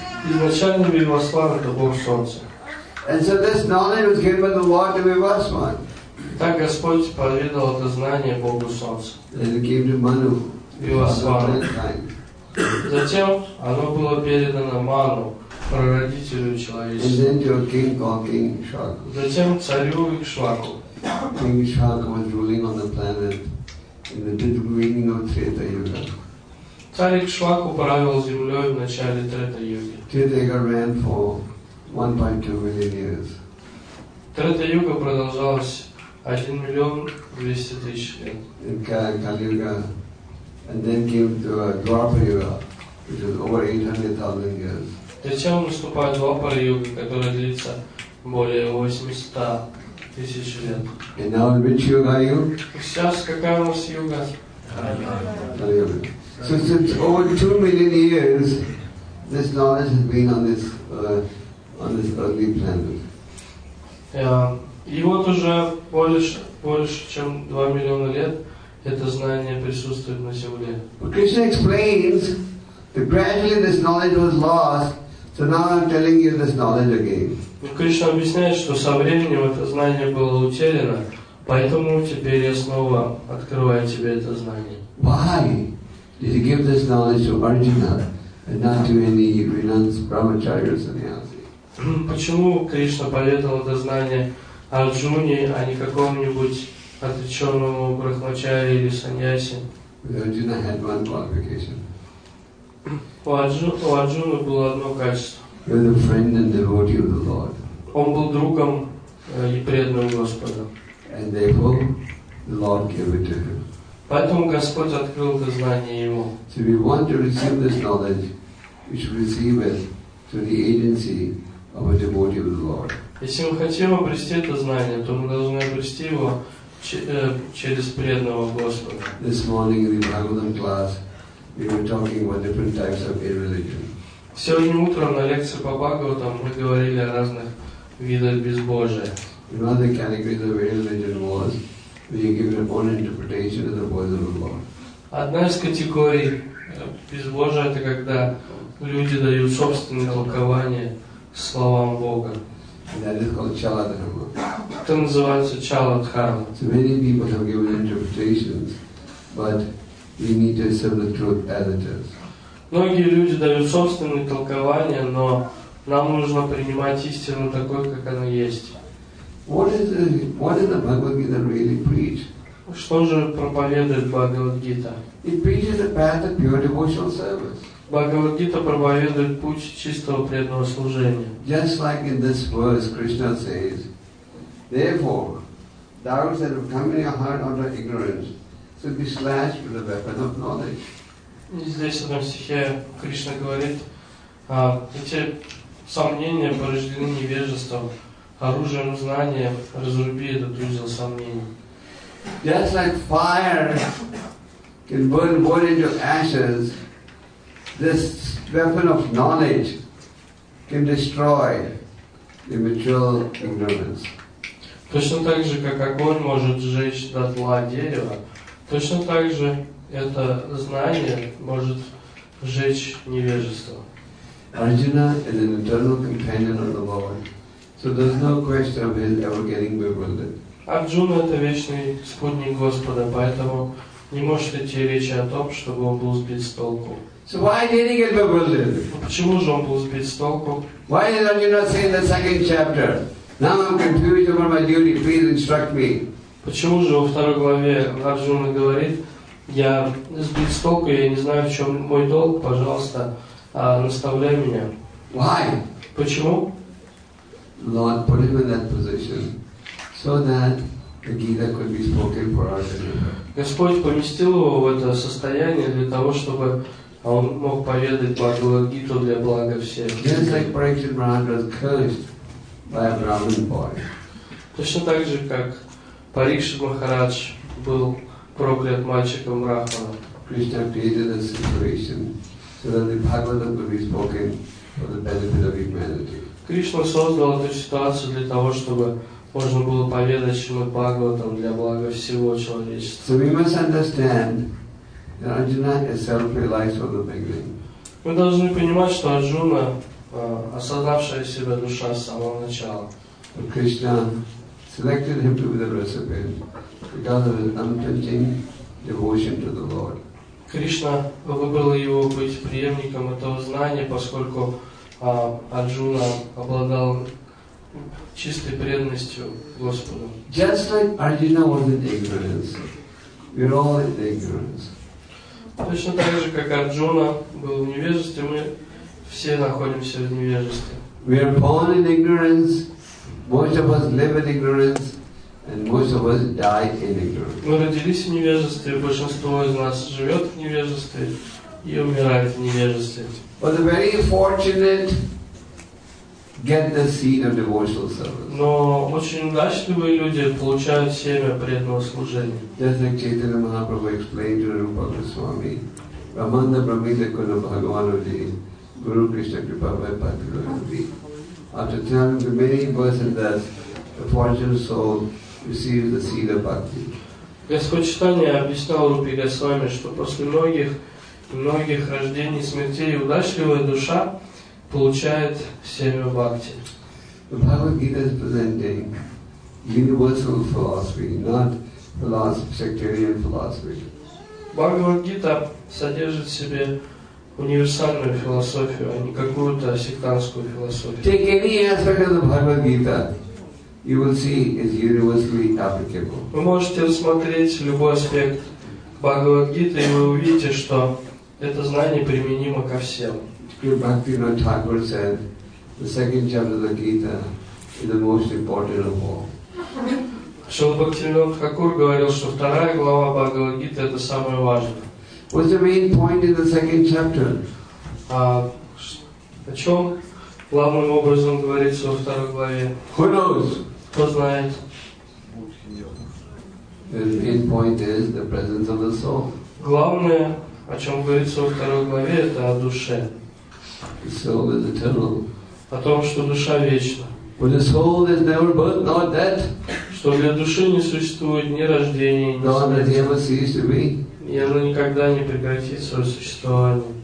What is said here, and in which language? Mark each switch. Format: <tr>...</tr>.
<ru>Изначально Вивасван это Бог Солнца.</ru> <en>And so this knowledge was given by the Lord to Vivaswan.</en> <ru>Так Господь поведал это знание Богу Солнца.</ru> <en>And it came to Manu. Vivaswan.</en> <ru>Затем оно было передано Ману, прародителю человечества.</ru> <en>And then to a king called King Ikshvaku.</en> <ru>Затем царю Ikshvaku.</ru> <en>King Ikshvaku was ruling on the planet in the beginning of Treta Yuga.</en> <ru>Царь Ikshvaku правил землей в начале Трета-юги.</ru> <en>Трета-юга ran for 1.2 million years.</en> <ru>Трета-юга продолжалась</ru> <en>1,200,000 years. In Kali Yuga. And then came to Dwapara Yuga, which is over 800,000 years.</en> <ru>Затем наступает Двапара Юга, которая длится более 800 тысяч лет.</ru> <en>And now which yuga are you?</en> <ru>Сейчас какая у нас юга?</ru> <en>Kali Yuga. So since over 2 million years, this knowledge has been on this earthly planet.</en> <ru>И вот уже больше чем 2 миллиона лет это знание присутствует на Земле.</ru> <en>Krishna explains that gradually this knowledge was lost, so now I'm telling you this knowledge again.</en> <ru>Krishna объясняет, что со временем это знание было утеряно, поэтому теперь я снова открываю тебе это знание.</ru> <en>Why? Did he give this knowledge to Arjuna and not to any renounced brahmacharya sannyasi?</en> <ru>Почему Кришна поведал это знание Арджуне, а не какому-нибудь отреченному брахмачари или саньяси?</ru> <en>Arjuna had one qualification.</en> <ru>У Арджуны было одно качество.</ru> <en>He was a friend and devotee of the Lord.</en> <ru>Он был другом и преданным Господа.</ru> <en>And therefore, the Lord gave it to him.</en> <ru>Поэтому Господь открыл это знание ему.</ru> <en>So if we want to receive this knowledge, we should receive it through the agency of a devotee of the Lord.</en> <ru>Если мы хотим обрести это знание, то мы должны обрести его через преданного Господа.</ru> <en>This morning in the Bhagavatam class, we were talking about different types of irreligion.</en> <ru>Сегодня утром на лекции по Бхагаватам мы говорили о разных видах безбожия.</ru> <en>One of the categories of irreligion was we give your own interpretation of the voice of the Lord.</en> <ru>Одна из категорий безбожия — это когда люди дают собственное толкование словам Бога.</ru> <en>And that is called Chala Dharma.</en> <ru>Это называется Chala Dharma.</ru> <en>So many people have given interpretations, but we need to accept the truth as it is.</en> <ru>Многие люди дают собственное толкование, но нам нужно принимать истину такой, как она есть.</ru> <en>What is the Bhagavad Gita really preach?</en> <ru>Что же проповедует Бхагавад Гита?</ru> <en>It preaches the path of pure devotional service.</en> <ru>Бхагавад Гита проповедует путь чистого преданного служения.</ru> <en>Just like in this verse, Krishna says, therefore, doubts that have come in your heart under ignorance should be slashed with the weapon of knowledge.</en> <ru>Здесь в одном стихе Кришна говорит, эти сомнения порождены невежеством. Оружием знания разруби этот узел сомнений.</ru> <en>Just like fire can burn wood into ashes, this weapon of knowledge can destroy the material ignorance.</en> <ru>Точно так же, как огонь может сжечь дотла дерево, точно так же это знание может сжечь невежество.</ru> <en>Arjuna is an eternal companion of the Lord. So there's no question of his ever getting bewildered.</en> <ru>Арджуна — это вечный спутник Господа, поэтому не может идти речи о том, чтобы он был сбит с толку.</ru> <en>So why did he get bewildered?</en> <ru>Почему же он был сбит с толку?</ru> <en>Why did Arjuna say in the second chapter, now I'm confused about my duty, please instruct me?</en> <ru>Почему же во второй главе Арджуна говорит, я сбит с толку, я не знаю, в чем мой долг, пожалуйста, наставляй меня.</ru> <en>Why?</en> <ru>Почему?</ru> <en>Lord put him in that position so that the Gita could be spoken for Arjuna.</en> <ru>Господь поместил его в это состояние для того, чтобы он мог поведать Бхагавад Гиту для блага всех.</ru> <en>Just like Parikshit Maharaj was cursed by a Brahmin boy.</en> <ru>Точно так же, как Парикшит Махарадж был проклят мальчиком Брахманом.</ru> <en>Krishna created a situation so that the Bhagavatam could be spoken for the benefit of humanity.</en> <ru>Кришна создал эту ситуацию для того, чтобы можно было поведать Шримад-Бхагаватам для блага всего человечества.</ru> <en>So we must understand that Arjuna is self-realized from the beginning.</en> <ru>Мы должны понимать, что Арджуна — осознавшая себя душа с самого начала.</ru> <en>But Krishna selected him to be the recipient because of his unflinching devotion to the Lord.</en> <ru>Кришна выбрала его быть преемником этого знания, поскольку Арджуна обладал чистой преданностью Господу.</ru> <en>Just like Arjuna was in ignorance, we are all in ignorance.</en> <ru>Точно так же, как Арджуна был в невежестве, мы все находимся в невежестве.</ru> <en>We are born in ignorance, most of us live in ignorance, And most of us die in ignorance.</en> <ru>Мы родились в невежестве, большинство из нас живет в невежестве и умирает в невежестве.</ru> <en>But the very fortunate get the seed of devotional service.</en> <ru>Но очень удачливые люди получают семя преданного служения.</ru> <en>Just like Chaitanya Mahaprabhu explained to Rupa Goswami, Ramanda Brahmita Kuna Bhagavanudhi, Guru Krishna Kripavai Patrikuludhi. After telling the many persons that the fortunate soul receives the seed of bhakti.</en> <ru>Господь Читания объяснял Рупе Госвами, что после многих и многих рождений смертей удачливая душа получает семя бхакти.</ru> <en>The Bhagavad Gita is presenting universal philosophy, not philosophy, sectarian philosophy.</en> <ru>Бхагавад-гита содержит в себе универсальную философию, а не какую-то сектантскую философию.</ru> <en>Take any aspect of the Bhagavad-гита, you will see it's universally applicable.</en> <ru>Вы можете рассмотреть любой аспект Бхагавад-гиты, и вы увидите, что это знание применимо ко всем.</ru> <en>Shri Bhaktivinoda Thakur said, the second chapter of the Gita is the most important of all.</en> <ru>Шрила Бхактивинода Тхакур говорил, что вторая глава Бхагавад-гиты – это самое важное.</ru> <en>What's the main point in the second chapter?</en> <ru>О чем главным образом говорится во второй главе?</ru> <en>Who knows?</en> <ru>Кто знает?</ru> <en>The main point is the presence of the soul.</en> <ru>Главное, о чем говорится во второй главе, это о душе.</ru> <en>The soul is eternal.</en> <ru>О том, что душа вечна.</ru> <en>But the soul is never birth, not death.</en> <ru>Что для души не существует ни рождения, ни смерти.</ru> <en>Not that ever ceases to be.</en> <ru>И оно никогда не прекратит свое существование.</ru>